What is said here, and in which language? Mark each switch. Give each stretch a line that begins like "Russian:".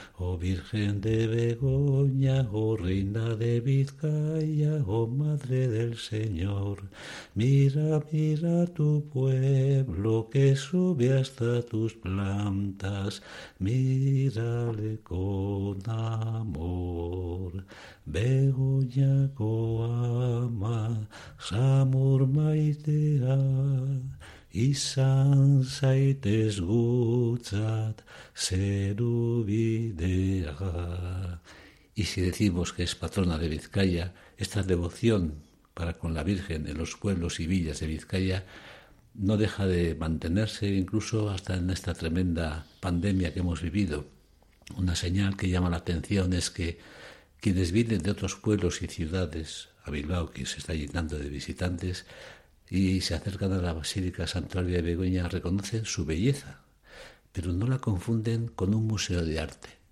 Spanish: Oh Virgen de Begoña, oh Reina de Vizcaya, oh Madre del Señor, mira, mira tu pueblo que sube hasta tus plantas, mírale con amor.
Basque: Begoña coama, samur maitea, izan zaitez gutzat, zeru bidea.
Spanish: Y si decimos que es patrona de Vizcaya, esta devoción para con la Virgen en los pueblos y villas de Vizcaya no deja de mantenerse incluso hasta en esta tremenda pandemia que hemos vivido. Una señal que llama la atención es que quienes vienen de otros pueblos y ciudades a Bilbao, que se está llenando de visitantes, y se acercan a la Basílica Santuaria de Begoña, reconocen su belleza, pero no la confunden con un museo de arte.